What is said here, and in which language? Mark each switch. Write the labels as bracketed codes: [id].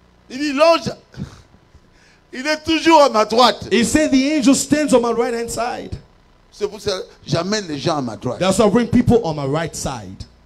[fr] Il dit l'ange, il est toujours à ma droite. [en] He said the angel stands on my right hand side. [fr] C'est pour ça que j'amène les gens à ma droite. [en] That's why I bring people on my right side.